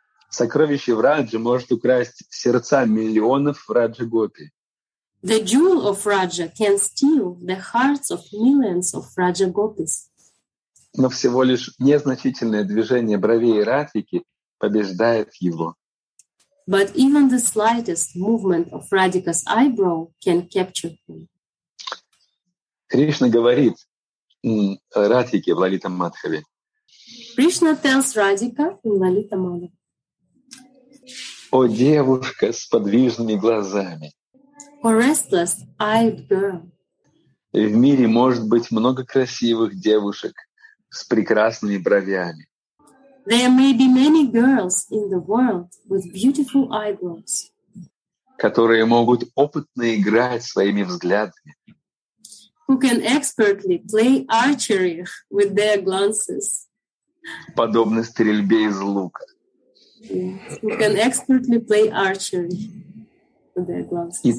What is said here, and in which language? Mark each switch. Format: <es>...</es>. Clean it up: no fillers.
<ru>Сокровище Враджа может украсть сердца миллионов Враджа-гопи.</ru> <en>The jewel of Raja can steal the hearts of millions of Raja-gopis.</en> <ru>Но всего лишь незначительное движение бровей Радхики побеждает его.</ru> <en>But even the slightest movement of Radhika's eyebrow can capture him.</en> <ru>Кришна говорит Радхике в Лалита Мадхаве.</ru> <en>Кришна tells Radhika in Lalita Madhava.</en> <ru>О, девушка с подвижными глазами.</ru> <en>О, restless-eyed girl.</en> <ru>В мире может быть много красивых девушек с прекрасными бровями.</ru> <en>There may be many girls in the world with beautiful eyebrows.</en> <ru>Которые могут опытно играть своими взглядами.</ru> <en>Who can expertly play archery with their glances.</en> <ru>Подобно стрельбе из лука.</ru> <en>Yes, we can expertly play archery with their glances.</en>